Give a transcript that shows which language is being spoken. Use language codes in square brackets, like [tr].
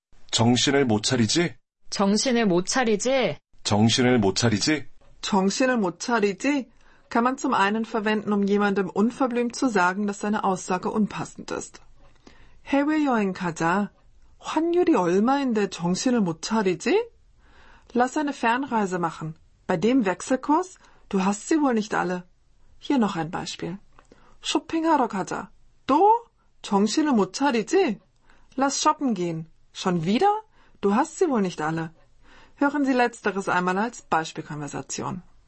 [ko] 정신을 못 차리지? 정신을 못 차리지? 정신을 못 차리지? 정신을 못 차리지? [de] Kann man zum einen verwenden, um jemandem unverblümt zu sagen, dass seine Aussage unpassend ist. [ko] 해외여행 가자. 환율이 얼마인데 정신을 못 차리지? [de] Lass eine Fernreise machen. Bei dem Wechselkurs... Du hast sie wohl nicht alle. Hier noch ein Beispiel. [ko] 쇼핑하러 가자. 또? 정신을 못 차리지? [de] Lass shoppen gehen. Schon wieder? Du hast sie wohl nicht alle. Hören Sie letzteres einmal als Beispielkonversation.